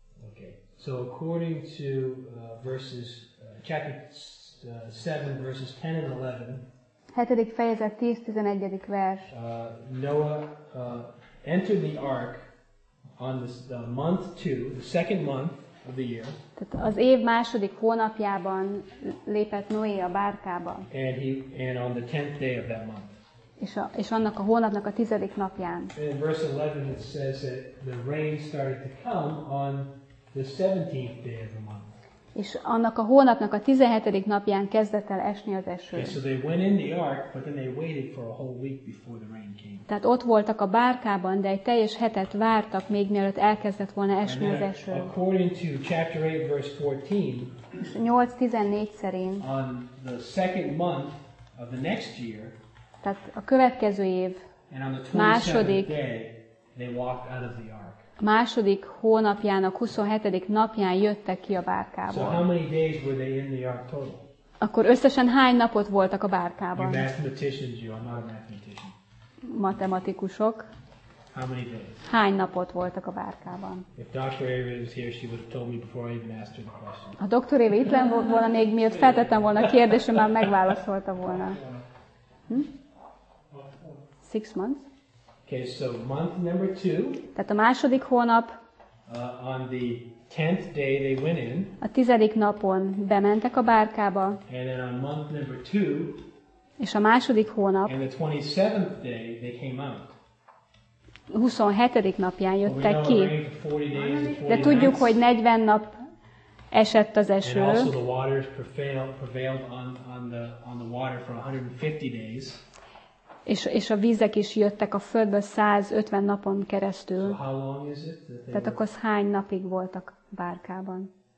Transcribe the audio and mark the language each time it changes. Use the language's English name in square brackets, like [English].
[English] okay, so according to verses, chapter 7, verses 10 and 11... [Hungarian] 7. fejezet, 10-11. vers. [English] Noah entered the ark on the month 2, the second month, of the year. [Hungarian] Tehát az év második hónapjában lépett Noé a bárkába. [English] And on the 10th day of that month. [Hungarian] És annak a hónapnak a 10. napján. [English] In verse 11 it says that the rain started to come on the 17th day of the month. [Hungarian] És annak a hónapnak a 17. napján kezdett el esni az eső. [English] Okay, so they went in the ark, but then they waited for a whole week before the rain came. [Hungarian] Tehát ott voltak a bárkában, de egy teljes hetet vártak, még mielőtt elkezdett volna esni az eső. [English] According to chapter 8, verse 14, [Hungarian] 8:14 szerint, [English] on the second month of the next year, [Hungarian] tehát a következő év, [English] and on the 27th day, they walked out of the ark. [Hungarian] Második hónapjának 27. napján jöttek ki a bárkából. [English] So how many days were they in the ark total? [Hungarian] Akkor összesen hány napot voltak a bárkában? [English] You mathematicians, you are not a mathematician. [Hungarian] Matematikusok. [English] How many days? [Hungarian] Hány napot voltak a bárkában? [English] If Dr. Ava was here, she would have told me before I even asked her the question. [Hungarian] Ha Dr. Ava itt lenne volna, még miért feltettem volna a kérdést, már megválaszolta volna. [English] Six months? Okay, so month number two. [Hungarian] Tehát a második hónap. [English] On the 10th day they went in. [Hungarian] A 10. napon bementek a bárkába. [English] And then on month number two. [Hungarian] És a második hónap. [English] And the 27th day they came out. [Hungarian] 27. napján jöttek ki. [English] Well, we know it rained for 40 days and 40 nights. [Hungarian] De tudjuk, hogy 40 nap esett az eső. [English] And also the waters prevailed on the water for 150 days. [Hungarian] És a vízek is jöttek a földből 150 napon keresztül. [English] So how long is it? [Hungarian] Tehát akkor hány napig voltak bárkában?